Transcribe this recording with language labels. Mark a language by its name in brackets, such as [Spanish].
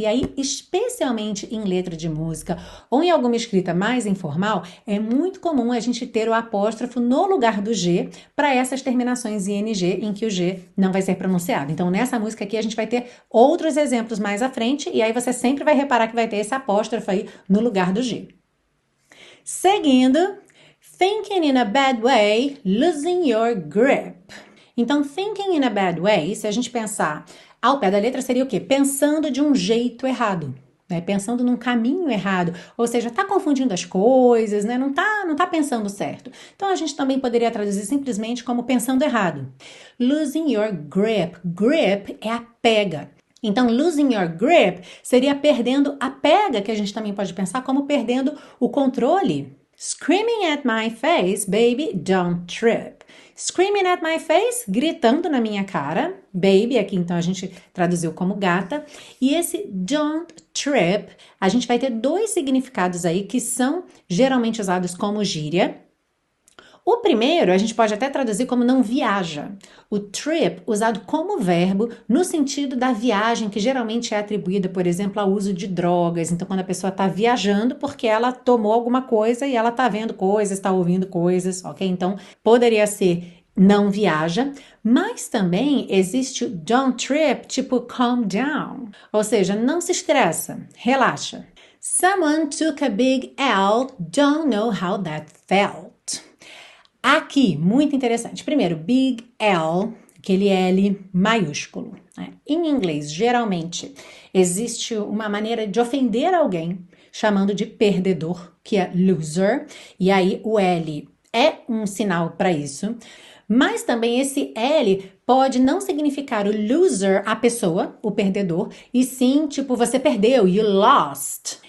[Portuguese] E aí, especialmente em letra de música ou em alguma escrita mais informal, é muito comum a gente ter o apóstrofo no lugar do g para essas terminações ing, em que o G não vai ser pronunciado. Então, nessa música aqui, a gente vai ter outros exemplos mais à frente, e aí você sempre vai reparar que vai ter esse apóstrofo aí no lugar do G. [English] Seguindo, thinking in a bad way, losing your grip. [Portuguese] Então, [English] thinking in a bad way, [Portuguese] se a gente pensar ao pé da letra, seria o quê? Pensando de um jeito errado, né? Pensando num caminho errado, ou seja, está confundindo as coisas, né? Não tá pensando certo. Então a gente também poderia traduzir simplesmente como pensando errado. [English] Losing your grip. [Portuguese] Grip é a pega. Então, [English] losing your grip [Portuguese] seria perdendo a pega, que a gente também pode pensar como perdendo o controle. [English] Screaming at my face, baby, don't trip. Screaming at my face, [Portuguese] gritando na minha cara, baby, aqui então a gente traduziu como gata. E esse [English] don't trip, [Portuguese] a gente vai ter dois significados aí que são geralmente usados como gíria. O primeiro, a gente pode até traduzir como não viaja. O trip, usado como verbo, no sentido da viagem, que geralmente é atribuída, por exemplo, ao uso de drogas. Então, quando a pessoa está viajando porque ela tomou alguma coisa e ela está vendo coisas, está ouvindo coisas, ok? Então, poderia ser não viaja. Mas também existe o [English] don't trip, [Portuguese] tipo [English] calm down. [Portuguese] Ou seja, não se estressa, relaxa. [English] Someone took a big L, don't know how that felt. [Portuguese] Aqui, muito interessante. Primeiro, big L, aquele L maiúsculo. Né? Em inglês, geralmente, existe uma maneira de ofender alguém, chamando de perdedor, que é loser. E aí, o L é um sinal para isso. Mas também, esse L pode não significar o loser, a pessoa, o perdedor, e sim, tipo, você perdeu, [English] you lost.